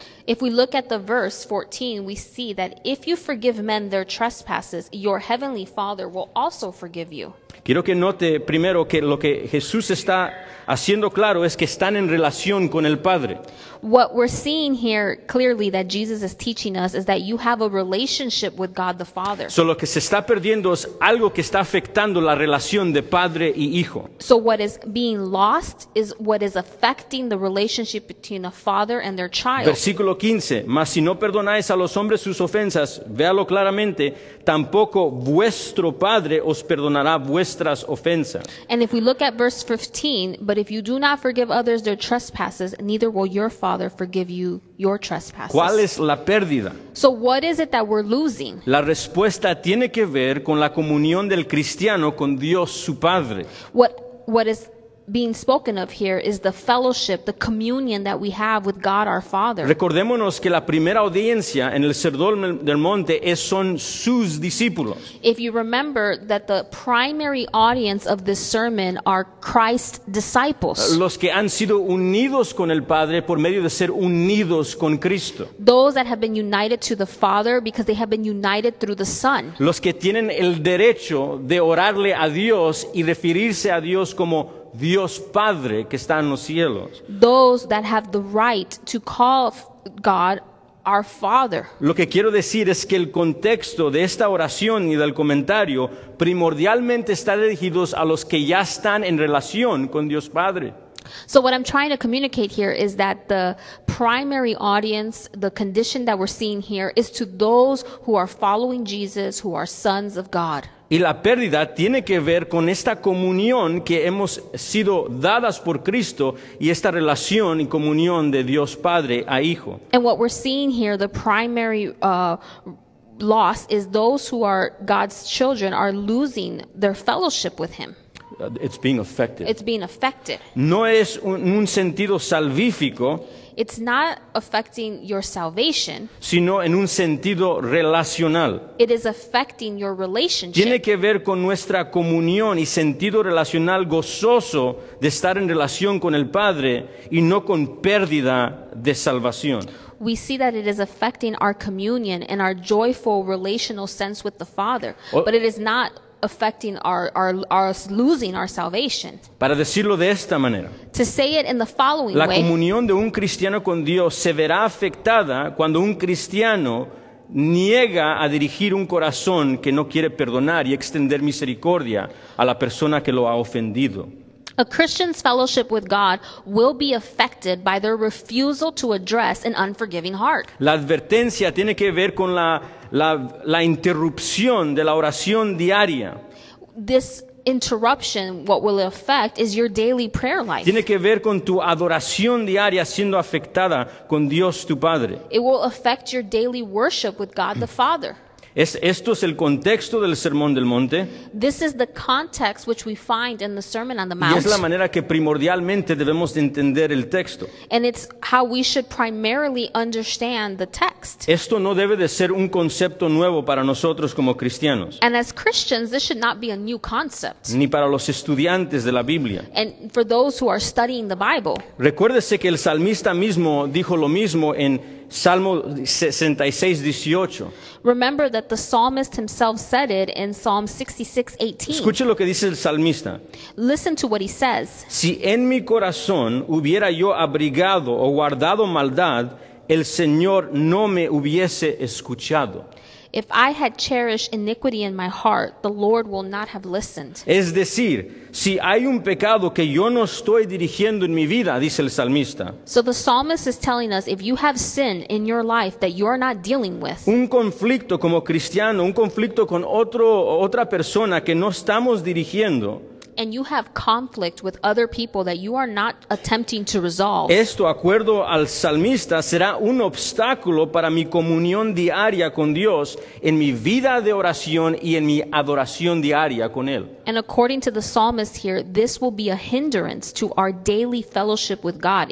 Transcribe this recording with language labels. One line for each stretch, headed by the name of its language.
English: If we look at the verse 14, we see that if you forgive men their trespasses, your heavenly Father will also forgive you.
Spanish: Quiero que note primero que lo que Jesús está haciendo claro es que están en relación con el Padre.
English: What we're seeing here clearly that Jesus is teaching us is that you have a relationship with God the Father.
Spanish: So lo que se está perdiendo es algo que está afectando la relación de Padre y Hijo.
English: So what is being lost is what is affecting the relationship between a father and their child.
Spanish: Versículo 15, mas si no perdonáis a los hombres sus ofensas, véalo claramente, tampoco vuestro Padre os perdonará vuestras ofensas.
English: And if we look at verse 15, but if you do not forgive others their trespasses, neither will your Father forgive you your trespasses.
Spanish: ¿Cuál es la pérdida?
English: So what is it that we're losing?
Spanish: La respuesta tiene que ver con la comunión del cristiano con Dios su Padre.
English: What is being spoken of here is the fellowship, the communion that we have with God our Father.
Spanish: Recordémonos que la primera audiencia en el Sermón del Monte es son sus discípulos.
English: If you remember that the primary audience of this sermon are Christ's disciples.
Spanish: Los que han sido unidos con el Padre por medio de ser unidos con Cristo.
English: Those that have been united to the Father because they have been united through the Son.
Spanish: Los que tienen el derecho de orarle a Dios y referirse a Dios como Dios Padre que está en los cielos.
English: Those that have the right to call God our Father.
Spanish: Lo que quiero decir es que el contexto de esta oración y del comentario primordialmente está dirigidos a los que ya están en relación con Dios Padre.
English: So what I'm trying to communicate here is that the primary audience, the condition that we're seeing here is to those who are following Jesus, who are sons of God.
Spanish: Y la pérdida tiene que ver con esta comunión que hemos sido dadas por Cristo y esta relación y comunión de Dios Padre a Hijo.
English: And what we're seeing here, the primary loss is those who are God's children are losing their fellowship with Him. It's being affected. It's being affected.
Spanish: No es un sentido salvífico.
English: It's not affecting your salvation,
Spanish: sino en un sentido relacional.
English: It is affecting your relationship.
Spanish: Tiene que ver con nuestra comunión y sentido relacional gozoso de estar en relación con el Padre y no con pérdida de salvación.
English: we see that it is affecting our communion and our joyful relational sense with the Father. But it is not affecting our losing our salvation.
Spanish: Para decirlo de esta manera,
English: to say it in the following way,
Spanish: la comunión de un cristiano con Dios se verá afectada cuando un cristiano niega a dirigir un corazón que no quiere perdonar y extender misericordia a la persona que lo ha ofendido.
English: A Christian's fellowship with God will be affected by their refusal to address an unforgiving heart.
Spanish: La advertencia tiene que ver con la interrupción de la oración diaria.
English: This interruption, what will it affect, is your daily prayer life.
Spanish: Tiene que ver con tu adoración diaria siendo afectada con Dios tu Padre.
English: It will affect your daily worship with God the Father.
Spanish: Esto es el contexto del Sermón del Monte.
English: This is the context which we find in the Sermon on the Mount.
Spanish: Y es la manera que primordialmente debemos entender el texto.
English: And it's how we should primarily understand the text.
Spanish: Esto no debe de ser un concepto nuevo para nosotros como cristianos.
English: And as Christians, this should not be a new concept.
Spanish: Ni para los estudiantes de la Biblia.
English: And for those who are studying the Bible.
Spanish: Recuérdese que el salmista mismo dijo lo mismo en Salmo 66:18.
English: Remember that the psalmist himself said it in Psalm 66:18.
Spanish: Escuche lo que dice el salmista.
English: Listen to what he says.
Spanish: Si en mi corazón hubiera yo abrigado o guardado maldad, el Señor no me hubiese escuchado.
English: If I had cherished iniquity in my heart, the Lord will not have listened.
Spanish: Es decir, si hay un pecado que yo no estoy dirigiendo en mi vida, dice el salmista.
English: So the psalmist is telling us, if you have sin in your life that you are not dealing with.
Spanish: Un conflicto como cristiano, un conflicto con otra persona que no estamos dirigiendo.
English: And you have conflict with other people that you are not attempting to resolve.
Spanish: Esto, acuerdo al salmista, será un obstáculo para mi comunión diaria con Dios en mi vida de oración y en mi adoración diaria con Él.
English: And according to the psalmist here, this will be a hindrance to our daily fellowship with God.